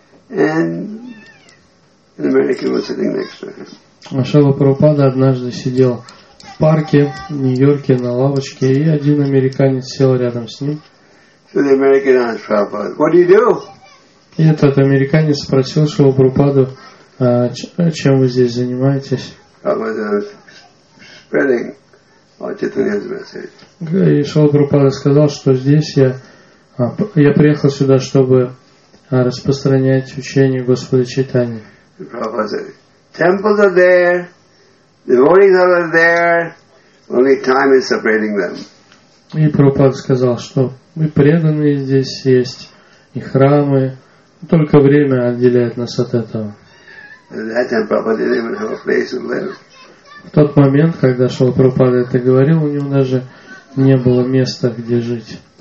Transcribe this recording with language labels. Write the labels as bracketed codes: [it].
[en] And an American was sitting next to him. [ru] Шрила Прабхупада однажды сидел в парке в Нью-Йорке на лавочке, и один американец сел рядом с ним. [en] So the American asked Prabhupada, what do you do? [ru] И этот американец спросил Шрилу Прабхупаду, чем вы здесь занимаетесь? [en] Prabhupada was spreading Chaitanya's message. [ru] И Шрила Прабхупада сказал, что здесь я приехал сюда, чтобы распространять учение Господа Чайтани. [en] Temples are there, devotees are there, only time is separating them. [ru] И Прабхупада сказал, что мы преданные здесь есть, и храмы, только время отделяет нас от этого. В тот момент, когда Шрила Прабхупада это говорил, у него даже не было места, где жить.